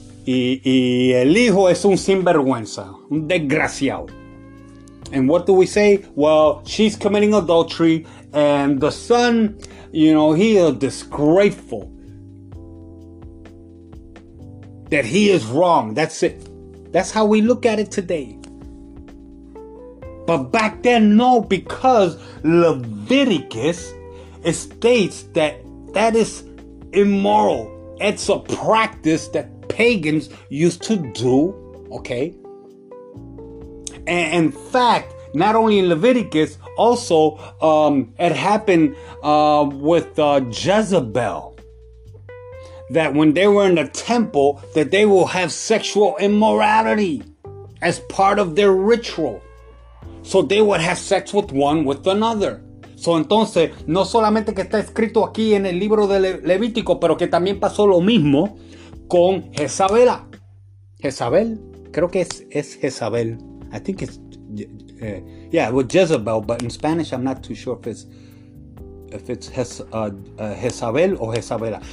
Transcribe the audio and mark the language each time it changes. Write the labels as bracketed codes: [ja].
[es] y el hijo es un sinvergüenza, un desgraciado. [en] And what do we say? Well, she's committing adultery, and the son, you know, he is disgraceful. That he is wrong. That's it. That's how we look at it today. But back then, no, because Leviticus, it states that that is immoral. It's a practice that pagans used to do, okay? And in fact, not only in Leviticus, also it happened with Jezebel. That when they were in the temple, that they will have sexual immorality as part of their ritual. So they would have sex with one with another. [es] So entonces, no solamente que está escrito aquí en el libro de Levítico, pero que también pasó lo mismo con Jezabela. Jezabel, creo que es Jezabel. [en] I think it's, yeah, with Jezebel, but in Spanish I'm not too sure if it's Jezabel o Jezabela.